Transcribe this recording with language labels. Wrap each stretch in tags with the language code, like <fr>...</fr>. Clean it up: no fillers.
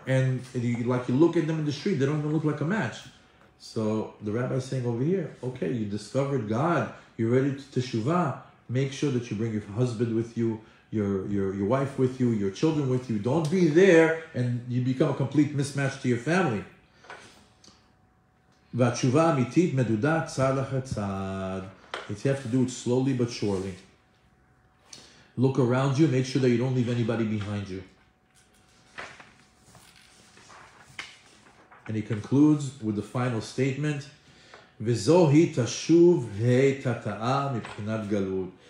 <en>And you look at them in the street, they don't even look like a match. So the rabbi's saying over here, okay, you discovered God, you're ready to teshuvah. Make sure that you bring your husband with you, your wife with you, your children with you. Don't be there and you become a complete mismatch to your family.</en> <he>והתשובה האמיתית מדודה צד אחר צד.</he> <en>It's you have to do it slowly but surely. Look around you, make sure that you don't leave anybody behind you. And he concludes with the final statement,</en> <he>וזוהי תשוב היתתאה מבחינת גלות.</he>